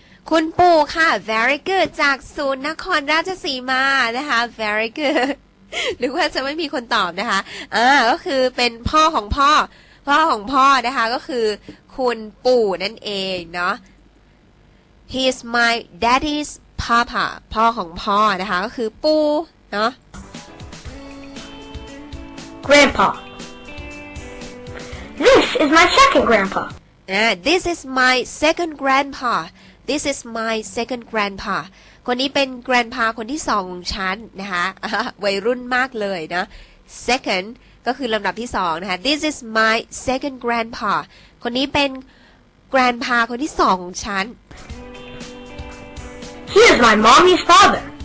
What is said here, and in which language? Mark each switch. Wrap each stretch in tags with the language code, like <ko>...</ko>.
<th>คุณปู่ค่ะ</th> <en>very good</en> <th>จากศูนย์นครราชสีมานะคะ very good หรือว่าจะไม่มีคนตอบนะคะก็คือเป็นพ่อของพ่อพ่อของพ่อนะคะก็คือคุณปู่นั่นเองเนาะ</th> <en>he is my daddy's papa</en> <th>พ่อของพ่อนะคะก็คือปู่เนาะ</th> <en>grandpa this is my second grandpa this is my second grandpaThis is my second grandpa.</en> <th>คนนี้เป็น grandpa คนที่สองของฉันนะคะวัยรุ่นมากเลยนะ Second ก็คือลำดับที่สองนะคะ</th> <en>This is my second grandpa.</en> <th>คนนี้เป็น grandpa คนที่สองของฉัน</th> <en>He is my mommy's father.</en>